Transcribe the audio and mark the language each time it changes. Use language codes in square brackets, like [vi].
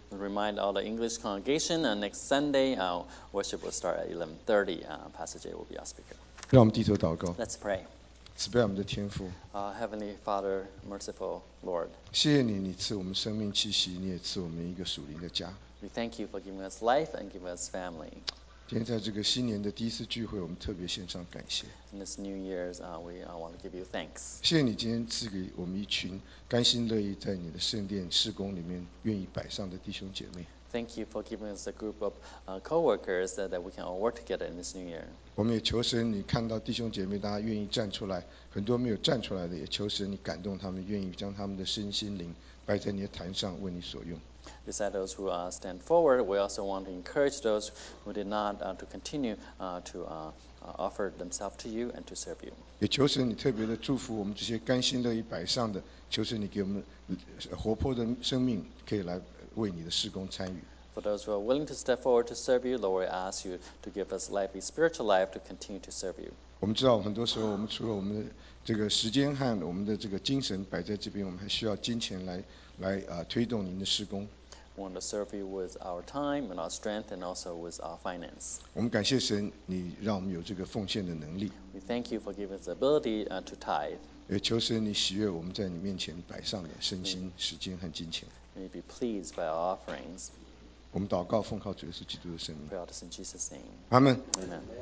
[en] Remind all the English congregation, next Sunday, worship will start at 11:30. Pastor J will be our speaker. [zh] 让我们低头祷告。 [en] Let's pray. [zh] 赐给我们的天父 [en] Heavenly Father, Merciful Lord. [zh] 谢谢你，你赐我们生命气息，你也赐我们一个属灵的家。 [en] We thank you for giving us life and giving us family. [zh] 今天在这个新年的第一次聚会，我们特别献上感谢。 [en] In this New Year's, we want to give you thanks. [zh] 谢谢你今天赐给我们一群甘心乐意在你的圣殿事工里面愿意摆上的弟兄姐妹。 [en] Thank you for giving us a group of co-workers that we can all work together in this new year. [zh] 我们也求神，你看到弟兄姐妹大家愿意站出来，很多没有站出来的，也求神你感动他们，愿意将他们的身心灵摆在你的坛上，为你所用。 [en] Besides those who stand forward, we also want to encourage those who did not to continue to offer themselves to you and to serve you. [zh] 也求神你特别的祝福我们这些甘心乐意摆上的，求神你给我们活泼的生命，可以来。为你的事工参与。 [en] For those who are willing to step forward to serve you, Lord, we ask you to give us life, a spiritual life, to continue to serve you. [zh] 我们知道很多时候，我们除了我们的这个时间和我们的这个精神摆在这边，我们还需要金钱来推动您的事工。 [en] We want to serve you with our time and our strength, and also with our finance. [zh] 我们感谢神，你让我们有这个奉献的能力。 [en] We thank you for giving us the ability to tithe. [zh] 也求神你喜悦我们在你面前摆上的身心、时间和金钱。 [en] May be pleased by our offerings. [zh] 我们祷告奉靠主耶稣基督的圣名。 [en] Pray all this in Jesus' name. Amen. Amen.